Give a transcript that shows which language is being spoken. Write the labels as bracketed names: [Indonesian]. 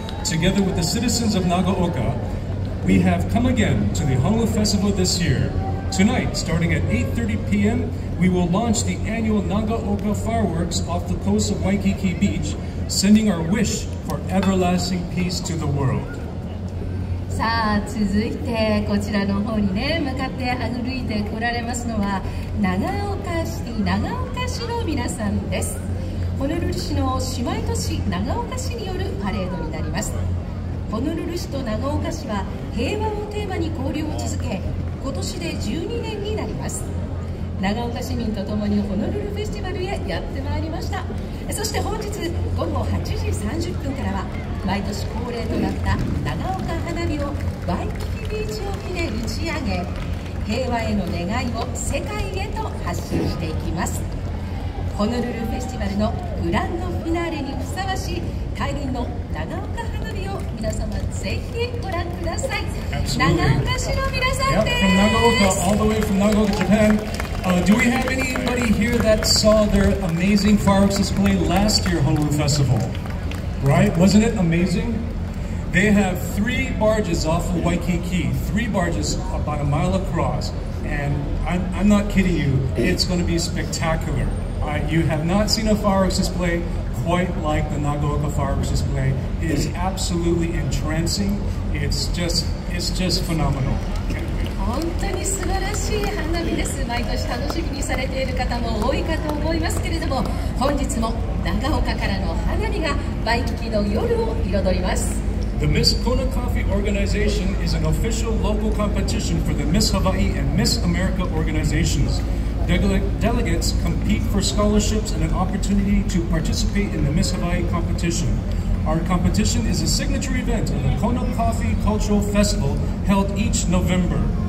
[English] Together with the citizens of Nagaoka, we have come again to the Honolulu Festival this year. Tonight, starting at 8:30 p.m., we will launch the annual Nagaoka fireworks off the coast of Waikiki Beach, sending our wish for everlasting peace to the world. [Japanese] さあ、続いてこちらの方にね、向かって歩いて来られますのは、長岡市の皆さんです。ホノルル市の姉妹都市、長岡市によるパレードになります。ホノルル市と長岡市は平和をテーマに交流を続け、今年で12年になります。長岡市民とともにホノルルフェスティバルへやってまいりました。そして本日午後8時30分からは毎年恒例となった長岡花火をワイキキビーチ沖で打ち上げ、平和への願いを世界へと発信していきます。ホノルルフェスティバルのグランドフィナーレにふさわしい開演の長岡花火を皆様ぜひご覧ください。 [English] Yep, from Nagaoka, all the way from Nagaoka, Japan. Do we have anybody here that saw their amazing fireworks display last year, Honolulu Festival? Right? Wasn't it amazing? They have three barges off of Waikiki, three barges about a mile across. And I'm not kidding you, it's going to be spectacular. You have not seen a fireworks display quite like the Nagaoka fireworks display. It is absolutely entrancing. It's just phenomenal. [Japanese] 本当に素晴らしい花火です。毎年楽しみにされている方も多いかと思いますけれども、本日も長岡からの花火がワイキキの夜を彩ります。 [English] The Miss Kona Coffee Organization is an official local competition for the Miss Hawaii and Miss America organizations. Delegates compete for scholarships and an opportunity to participate in the Miss Hawaii competition. Our competition is a signature event of the Kona Coffee Cultural Festival held each November.